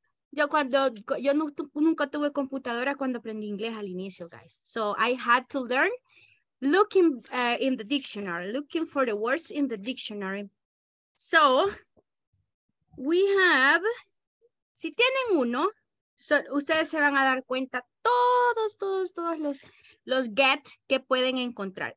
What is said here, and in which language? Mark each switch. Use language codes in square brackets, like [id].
[es] Yo cuando, yo nunca tuve computadora cuando aprendí inglés al inicio, guys. [en] So I had to learn looking in the dictionary, looking for the words in the dictionary. So we have, [es] si tienen uno, so, ustedes se van a dar cuenta todos los get que pueden encontrar.